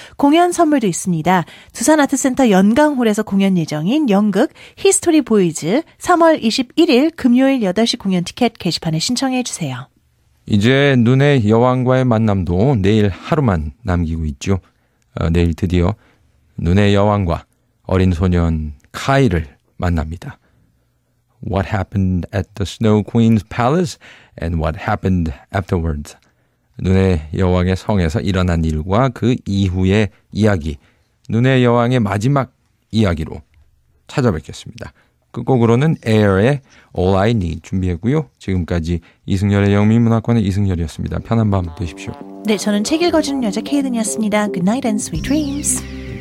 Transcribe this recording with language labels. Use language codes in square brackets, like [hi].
[ko] 공연 선물도 있습니다. 두산아트센터 연강홀에서 공연 예정인 연극 히스토리 보이즈 3월 21일 금요일 8시 공연 티켓 게시판에 신청해 주세요. 이제 눈의 여왕과의 만남도 내일 하루만 남기고 있죠. 내일 드디어 눈의 여왕과 어린 소년 카이를 만납니다. [en] What happened at the Snow Queen's Palace and what happened afterwards? [ko] 눈의 여왕의 성에서 일어난 일과 그 이후의 이야기, 눈의 여왕의 마지막 이야기로 찾아뵙겠습니다. 끝곡으로는 Air의 All I Need 준비했고요. 지금까지 이승열의 영미문학관의 이승열이었습니다. 편한 밤 되십시오. 네, 저는 책 읽어주는 여자 케이든이었습니다. [en] Good night and sweet dreams.